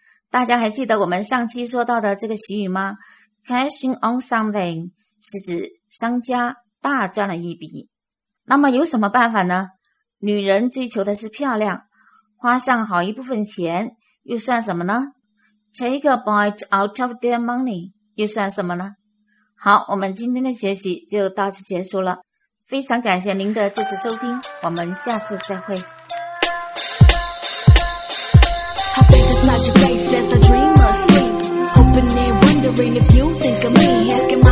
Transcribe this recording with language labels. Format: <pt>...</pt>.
<zh>大家还记得我们上期说到的这个习语吗？ Cashing on something 是指商家大赚了一笔。那么有什么办法呢？女人追求的是漂亮，花上好一部分钱又算什么呢？</zh> <en>Take a bite out of their money 又算什么呢？</en> <zh>好，我们今天的学习就到此结束了，非常感谢您的支持收听，我们下次再会。</zh> <en>Smash your face as a dreamer sleep. Hoping and wondering if you think of me.</en>